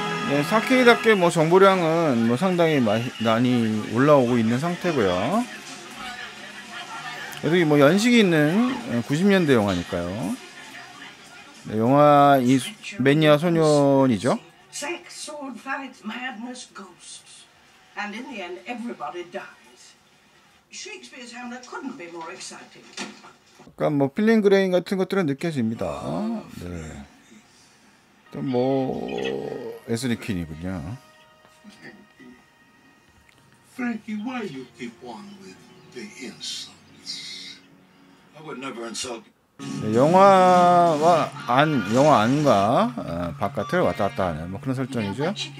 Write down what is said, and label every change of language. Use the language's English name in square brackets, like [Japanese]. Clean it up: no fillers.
[Korean] 네, 4K답게 뭐 정보량은 뭐 상당히 많이 올라오고 있는 상태고요. 여기 뭐 연식이 있는 90년대 영화니까요. 네, 영화 이 매니아 소년이죠. [English] Sex sword fights madness ghosts, and in the end everybody dies. Shakespeare's Hamlet couldn't be more exciting. [Korean] 약간 뭐 필링 그레인 같은 것들은 느껴집니다. 네. 또 뭐 애슬리 퀸이군요. [English] Frankie, why you keep on with the insults? I would never insult. [Korean] 영화와 안 영화 안과 바깥을 왔다 갔다 하는 뭐 그런 설정이죠.